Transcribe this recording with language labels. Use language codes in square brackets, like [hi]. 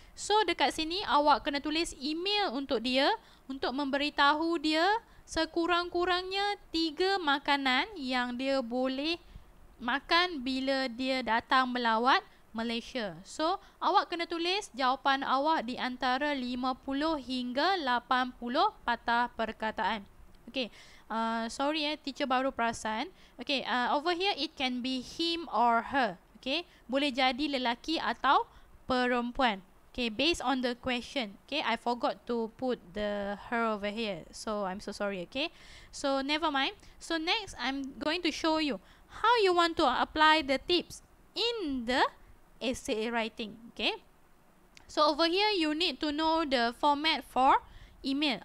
[ms] So, dekat sini awak kena tulis email untuk dia untuk memberitahu dia sekurang-kurangnya 3 makanan yang dia boleh makan bila dia datang melawat Malaysia. So, awak kena tulis jawapan awak di antara 50 hingga 80 patah perkataan. Okay, sorry teacher baru perasan. [en] Okay, over here it can be him or her. [ms] Okay, boleh jadi lelaki atau perempuan. [en] Okay, based on the question. Okay, I forgot to put the her over here. So, I'm so sorry. Okay, so never mind. So, next I'm going to show you how you want to apply the tips in the essay writing. Okay, so over here you need to know the format for email.